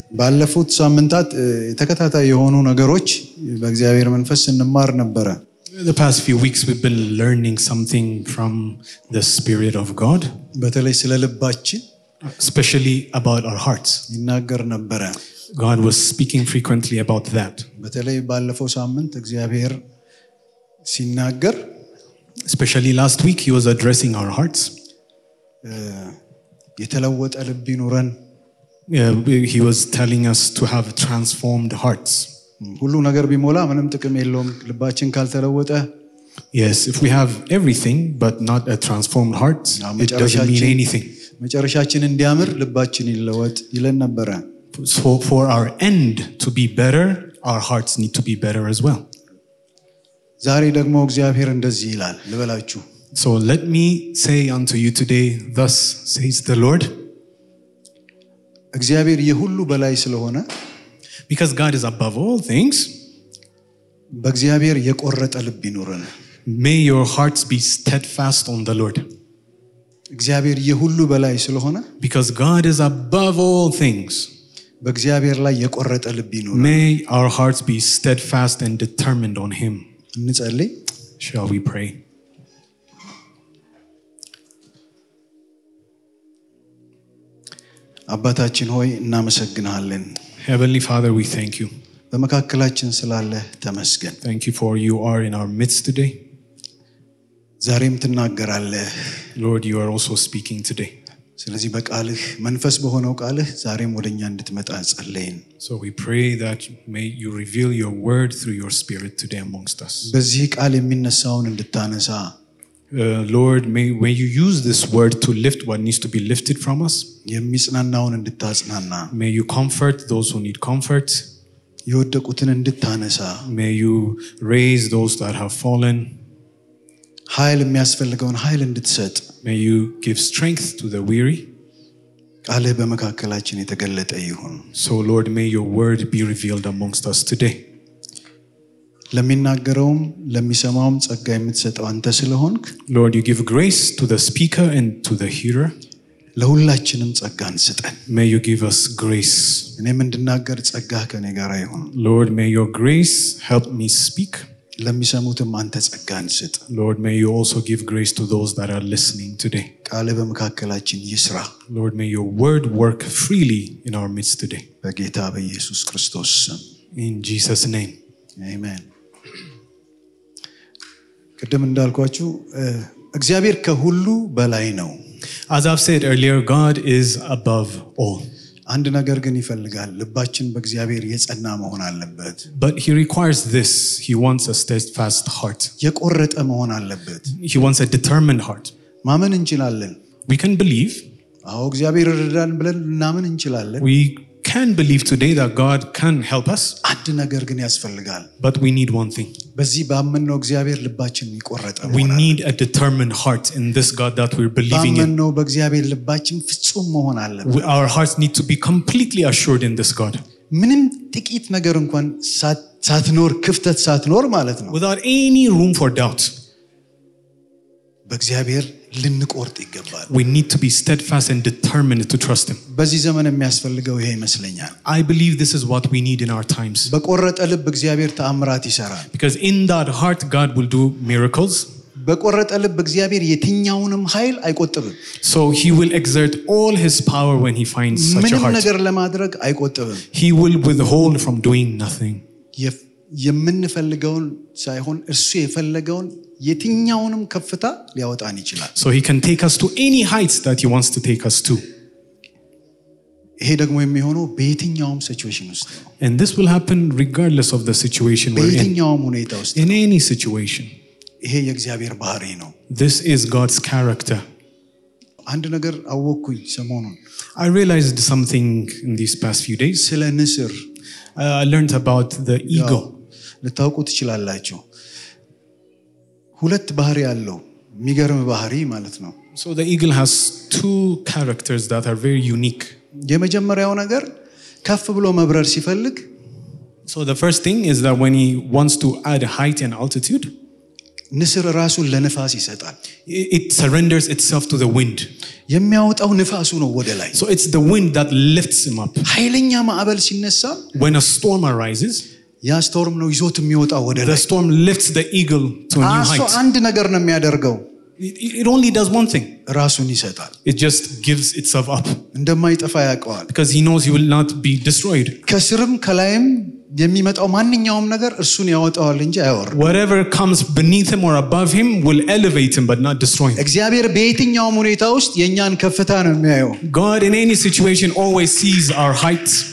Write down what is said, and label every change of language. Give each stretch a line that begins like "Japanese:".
Amharic: ባለፉት ሳምንታት ተከታታይ የሆኑ ነገሮች በእግዚአብሔር መንፈስ እንማር ነበር.
English: The past few weeks we've been learning something from the Spirit of God.
Amharic: በተለይ ስለ ልባችን
English: especially about our hearts.
Amharic: ይናገር ነበር.
English: God was speaking frequently about that.
Amharic: በተለይ ባለፈው ሳምንት እግዚአብሔር ሲናገር
English: especially last week he was addressing our hearts
Amharic: የተለወጠ ልብ ይኑረን
English: he was telling us to have transformed hearts
Amharic: ሁሉ ነገር ቢሞላ ምንም ጥቅም የለውም ልባችን ካልተለወጠ
English: yes if we have everything but not a transformed heart it doesn't mean anything
Amharic: መጨረሻችን እንዲያምር ልባችን ይለወጥ ይለን ነበር
English: for our end to be better our hearts need to be better as well
Amharic: ዛሬ ደግሞ እግዚአብሔር እንደዚህ ይላል ልበላችሁ
English: So let me say unto you today thus says the Lord
Amharic: እግዚአብሔር የሁሉ በላይ ስለሆነ
English: because God is above all things
Amharic: በእግዚአብሔር የቆረጠ ልብ ይኑረን
English: may your hearts be steadfast on the Lord
Amharic: እግዚአብሔር የሁሉ በላይ ስለሆነ
English: because God is above all things
Amharic: በእግዚአብሔር ላይ የቆረጠ ልብ ይኑረን
English: may our hearts be steadfast and determined on him
Amharic: እንጸልይ
English: shall we pray
Amharic: አባታችን ሆይ እናመሰግናለን
English: heavenly father we thank you
Amharic: በመካከላችን ስላለ ተመስገን
English: thank you for you are in our midst today
Amharic: ዛሬም ትናገራለ
English: lord you are also speaking today
Amharic: ስለዚህ በቃልህ መንፈስ በሆነው ቃልህ ዛሬም ወደኛ እንድትመጣ ጸልየን
English: So we pray that may you reveal your word through your spirit today amongst us.
Amharic: በዚህ ቃል የሚነሳውን እንድታነሳ
English: Lord may when you use this word to lift what needs to be lifted from us.
Amharic: የሚጽናናውን እንድታጽናና
English: May you comfort those who need comfort.
Amharic: የወደቁትን እንድታነሳ
English: May you raise those that have fallen.
Amharic: ኃይል የሚያስፈልገውን ኃይል እንድትሰጥ
English: May you give strength to the weary.
Amharic: ቃልህ በመካከላችን የተገለጠ ይሁን
English: So Lord may your word be revealed amongst us today
Amharic: ለሚናገረውም ለሚሰማውም ጸጋ የምትሰጠው አንተ ስለሆንክ
English: Lord you give grace to the speaker and to the hearer
Amharic: ለሁላችንም ጸጋን ስጠን
English: may you give us grace
Amharic: እኔም እንድናገር ጸጋህ ከኔ ጋር ይሁን
English: Lord may your grace help me speak
Amharic: ለሚሰሙትም አንተ ጸጋን ስጥ
English: Lord may you also give grace to those that are listening today
Amharic: ቃልህ በመካከላችን ይስራ
English: Lord may your word work freely in our midst today
Amharic: በጌታ በኢየሱስ ክርስቶስ ስም
English: in Jesus name
Amharic: amen ቀደም እንዳልኳችሁ እግዚአብሔር ከሁሉ በላይ ነው
English: as I've said earlier God is above all
Amharic: አንድ ነገር ግን ይፈልጋል ልባችን በእግዚአብሔር የጸና መሆን አለበት
English: but he requires this he wants a steadfast heart
Amharic: የቆረጠ መሆን አለበት
English: he wants a determined heart
Amharic: ማመን እንችላለን
English: we can believe
Amharic: አዎ እግዚአብሔር ይረዳን ብለን እናምን እንችላለን
English: we can believe today that god can help us
Amharic: አንድ ነገር ግን ያስፈልጋል
English: but we need one thing
Amharic: በዚህ ባመነው እግዚአብሔር ልባችን ይቆረጠ
English: we need a determined heart in this god that we're believing in
Amharic: ባመነው በእግዚአብሔር ልባችን ፍጹም መሆን አለበት
English: our hearts need to be completely assured in this god
Amharic: ምንም ጥቂት ነገር እንኳን ሳትኖር ክፍተት ሳትኖር ማለት ነው
English: without any room for doubt
Amharic: በእግዚአብሔር ልንቆርጥ ይገባል
English: we need to be steadfast and determined to trust him
Amharic: በዚህ ዘመን የሚያስፈልገው ይሄ ይመስለኛል
English: i believe this is what we need in our times
Amharic: በቆረጠ ልብ እግዚአብሔር ተአምራት ይሰራል
English: because in that heart god will do miracles
Amharic: በቆረጠ ልብ እግዚአብሔር የትኛውንም ኃይል አይቆጥብም
English: so he will exert all his power when he finds such a heart
Amharic: ምንም ነገር ለማድረግ አይቆጥብም
English: he will withhold from doing nothing
Amharic: የምንፈልገውን ሳይሆን እርሱ የፈለገውን የትኛውንም ከፍታ ሊያወጣን ይችላል
English: so he can take us to any heights that he wants to take us to
Amharic: ይሄ ደግሞ የሚሆነው በየትኛውም situation ውስጥ
English: and this will happen regardless of the situation we're in
Amharic: በየትኛውም ሁኔታ ውስጥ
English: in any situation
Amharic: ይሄ የእግዚአብሔር ባህሪ ነው
English: this is god's character
Amharic: አንድ ነገር አወኩኝ ሰሞኑን
English: i realized something in these past few days
Amharic: ስለ ንስር
English: i learned about the ego
Amharic: ለታውቁት ይችላልላችሁ ሁለት ባህሪ ያለው የሚገርም ባህሪ ማለት ነው
English: so the eagle has two characters that are very unique
Amharic: የመጀመሪያው ነገር ከፍ ብሎ መብረር ሲፈልግ
English: so the first thing is that when he wants to add height and altitude
Amharic: ንስር ራሱን ለነፋስ ይሰጣል
English: it surrenders itself to the wind
Amharic: የሚያወጣው ነፋሱ ነው ወደ ላይ
English: so it's the wind that lifts him up
Amharic: ኃይለኛ ማዕበል ሲነሳ
English: when a storm arises
Amharic: ያ storm ነው ይዞት የሚወጣው ወደ ላይ
English: the storm lifts the eagle to a new height
Amharic: አሶ አንድ ነገር ነው የሚያደርገው
English: it only does one thing
Amharic: ራሱን ይሰጣል
English: it just gives itself up
Amharic: እንደማይጠፋ ያውቃል
English: because he knows he will not be destroyed
Amharic: ከስርም ከላይም የሚመጣው ማንኛውም ነገር እርሱን ያወጣዋል እንጂ አይወርድም
English: whatever comes beneath him or above him will elevate him but not destroy him
Amharic: እግዚአብሔር በየትኛውም ሁኔታ ውስጥ የኛን ከፍታ ነው የሚያየው
English: god in any situation always sees our height